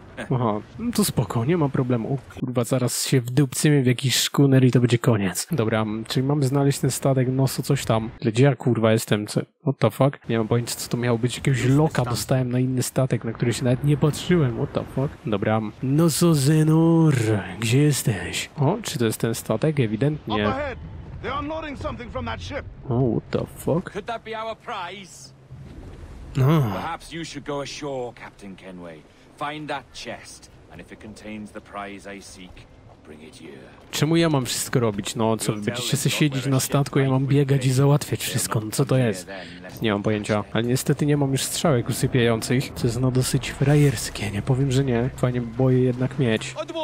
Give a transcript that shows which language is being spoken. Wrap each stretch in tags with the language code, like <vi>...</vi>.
<pl>Aha, no to spoko, nie ma problemu. Kurwa, zaraz się wdupcymy w jakiś szkuner i to będzie koniec. Dobra, czyli mamy znaleźć ten statek nosu coś tam. Gdzie ja kurwa jestem? Co?</pl> <en>What the fuck?</en> <pl>Nie mam pojęcia, co to miało być. Jakiegoś loka dostałem na inny statek, na który się nawet nie patrzyłem.</pl> <en>What the fuck?</en> <pl>Dobra. Noso Zenor, gdzie jesteś? O, czy to jest ten statek? Ewidentnie.</pl> <en>They're unloading something from that ship. Oh, what the fuck? Could that be our prize? Oh. Perhaps you should go ashore, Captain Kenway. Find that chest, and if it contains the prize I seek, bring it here.</en> <pl>Czemu ja mam wszystko robić? No, co, będziecie się siedzieć na statku, ja mam biegać i załatwiać wszystko. No, co to jest? Nie mam pojęcia. Ale niestety nie mam już strzałek usypiających, co jest no dosyć frajerskie. Nie powiem, że nie. Fajnie boję jednak mieć.</pl>